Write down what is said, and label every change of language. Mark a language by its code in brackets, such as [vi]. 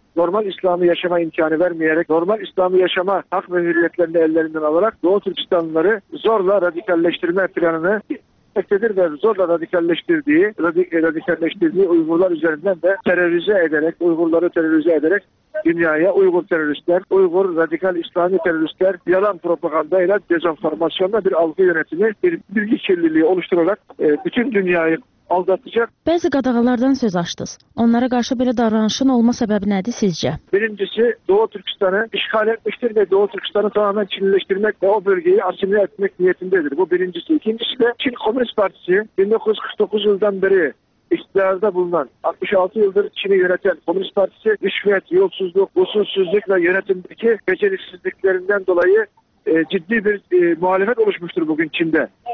[tr] normal İslam'ı yaşama imkanı vermeyerek, normal İslam'ı yaşama hak ve hürriyetlerini ellerinden alarak Doğu Türkistanlıları zorla radikalleştirme planını ettedir ve zorla radikalleştirdiği Uygurlar üzerinden de terörize ederek, Uygurları terörize ederek dünyaya Uygur teröristler, Uygur radikal İslami teröristler yalan propagandayla, dezenformasyonla bir algı yönetimi, bir bilgi kirliliği oluşturarak bütün dünyayı aldatacak. [az] Bəzi qadağalardan söz açdınız. Onlara qarşı belə davranışın olma səbəbi nədir sizcə? [tr] Birincisi, Doğu Türkistanı işgal etmişdir ve Doğu Türkistanı tamamen Çinleştirmek ve o bölgeyi asimile etmek niyetindedir. Bu birincisi. İkincisi de Çin Komünist Partisi 1949 yıldan beri iktidarda bulunan, 66 yıldır Çin'i yöneten Komünist Partisi rüşvet, yolsuzluk, usulsüzlük ve yönetimdeki beceriksizliklerinden dolayı ciddi bir muhalefet oluşmuştur bugün Çin'de.